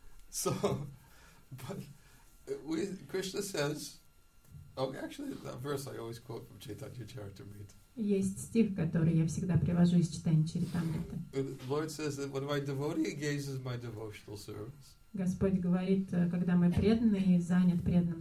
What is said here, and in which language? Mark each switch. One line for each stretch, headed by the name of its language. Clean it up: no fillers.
English: So, but we, Krishna says, oh, actually, that verse I always quote from Chaitanya Charitamrita.
Russian: Есть стих, который я всегда привожу из читания Чаритамриты.
English: Lord says that when my devotee engages my devotional service,
Russian: Господь говорит, когда мой преданный занят преданным